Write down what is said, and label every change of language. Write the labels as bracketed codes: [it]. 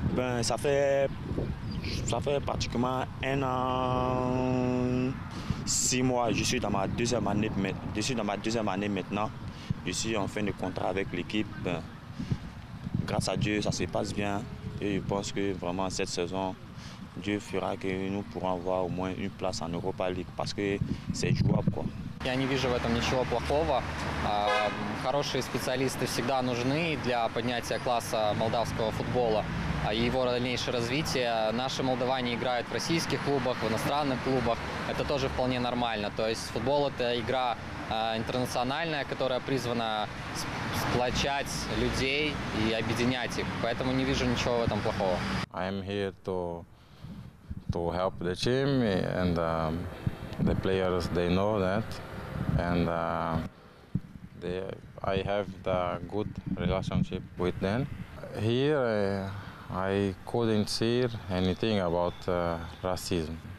[fr] Ben, ça fait pratiquement un an, six mois, je suis dans ma deuxième année, maintenant. Je suis en fin de contrat avec l'équipe. Grâce à Dieu, ça se passe bien. Et je pense que vraiment cette saison, Dieu fera que nous pourrons avoir au moins une place en Europa League parce que c'est jouable, quoi. [ru] Я не вижу в этом ничего плохого. Хорошие специалисты всегда нужны для поднятия класса молдавского футбола и его дальнейшее развитие. Наши молдаване играют в российских клубах, в иностранных клубах. Это тоже вполне нормально. То есть футбол – это игра интернациональная, которая призвана сплочать людей и объединять их. Поэтому не вижу ничего в этом плохого. [en] I'm here to help the team and the players, they know that. and I have the good relationship with them. Here I couldn't see anything about racism.